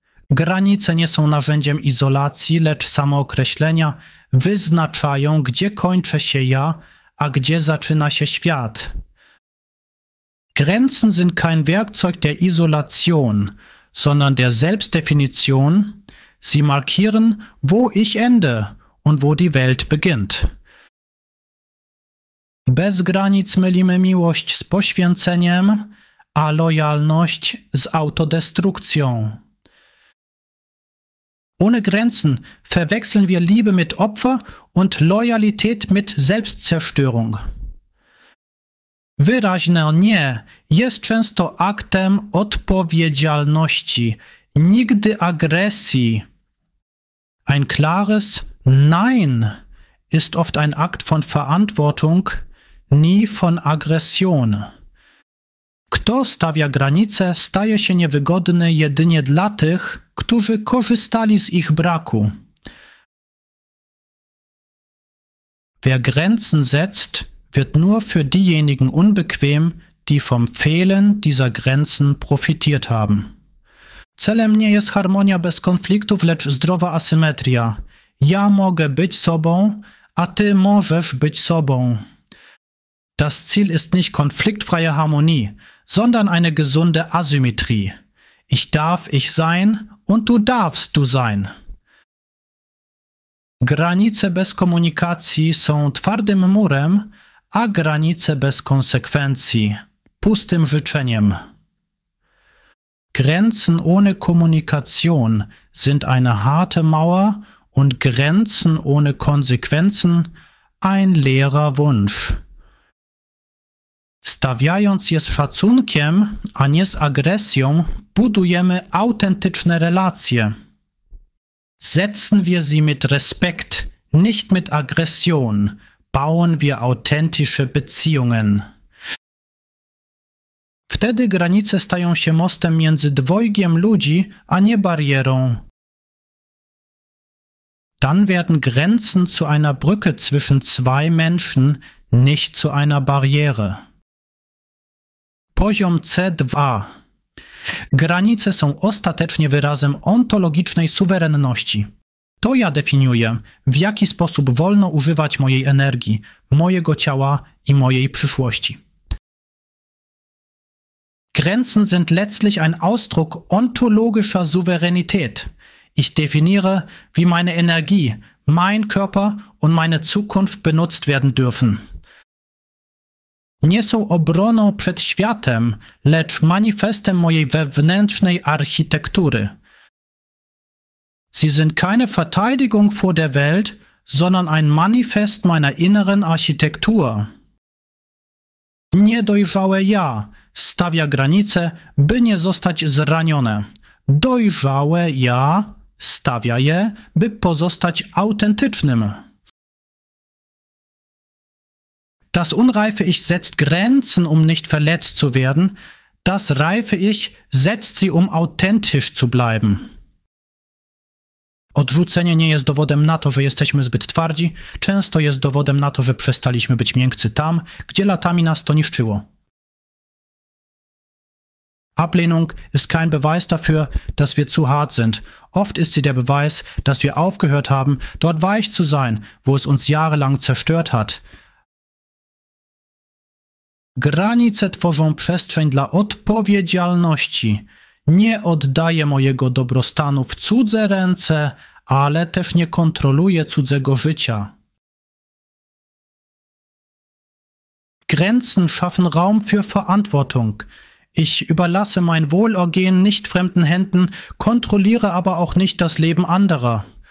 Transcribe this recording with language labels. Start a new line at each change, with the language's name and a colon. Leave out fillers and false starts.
Polish: Granice nie są narzędziem izolacji, lecz samookreślenia. Wyznaczają, gdzie kończę się ja, a gdzie zaczyna się świat.
German: Grenzen sind kein Werkzeug der Isolation, sondern der Selbstdefinition. Sie markieren, wo ich ende und wo die Welt beginnt.
Polish: Bez granic mylimy miłość z poświęceniem, a lojalność z autodestrukcją.
German: Ohne Grenzen verwechseln wir Liebe mit Opfer und Loyalität mit Selbstzerstörung.
Polish: Wyraźne nie jest często aktem odpowiedzialności, nigdy agresji.
German: Ein klares Nein ist oft ein Akt von Verantwortung, nie von Aggression.
Polish: Kto stawia granice, staje się niewygodny jedynie dla tych, którzy korzystali z ich braku.
German: Wer Grenzen setzt, wird nur für diejenigen unbequem, die vom Fehlen dieser Grenzen profitiert haben.
Polish: Celem nie jest harmonia bez konfliktów, lecz zdrowa asymetria. Ja mogę być sobą, a ty możesz być sobą.
German: Das Ziel ist nicht konfliktfreie Harmonie, sondern eine gesunde Asymmetrie. Ich darf ich sein und du darfst du sein.
Polish: Granice bez komunikacji są twardym murem, a granice bez konsekwencji – pustym życzeniem.
German: Grenzen ohne Kommunikation sind eine harte Mauer und Grenzen ohne Konsequenzen ein leerer Wunsch.
Polish: Stawiając je z szacunkiem, a nie z agresją, budujemy autentyczne relacje.
German: Setzen wir sie mit Respekt, nicht mit Aggression, bauen wir authentische Beziehungen.
Polish: Wtedy granice stają się mostem między dwojgiem ludzi, a nie barierą.
German: Dann werden Grenzen zu einer Brücke zwischen zwei Menschen, nicht zu einer Barriere.
Polish: Poziom C2. Granice są ostatecznie wyrazem ontologicznej suwerenności. To ja definiuję, w jaki sposób wolno używać mojej energii, mojego ciała i mojej przyszłości.
German: Grenzen sind letztlich ein Ausdruck ontologischer Souveränität. Ich definiere, wie meine Energie, mein Körper und meine Zukunft benutzt werden dürfen.
Polish: Nie są obroną przed światem, lecz manifestem mojej wewnętrznej architektury.
German: Sie sind keine Verteidigung vor der Welt, sondern ein Manifest meiner inneren Architektur.
Polish: Niedojrzałe ja stawia granice, by nie zostać zranione. Dojrzałe ja stawia je, by pozostać autentycznym.
German: Das unreife Ich setzt Grenzen, um nicht verletzt zu werden. Das reife Ich setzt sie, um authentisch zu bleiben.
Polish: Odrzucenie nie jest dowodem na to, że jesteśmy zbyt twardzi. Często jest dowodem na to, że przestaliśmy być miękcy tam, gdzie latami nas to niszczyło.
German: Ablehnung ist kein Beweis dafür, dass wir zu hart sind. Oft ist sie der Beweis, dass wir aufgehört haben, dort weich zu sein, wo es uns jahrelang zerstört hat.
Polish: Granice tworzą przestrzeń dla odpowiedzialności. Nie oddaję mojego dobrostanu w cudze ręce, ale też nie kontroluję cudzego życia.
German: Grenzen schaffen Raum für Verantwortung. Ich überlasse mein Wohlergehen nicht fremden Händen, kontroliere aber auch nicht das Leben anderer.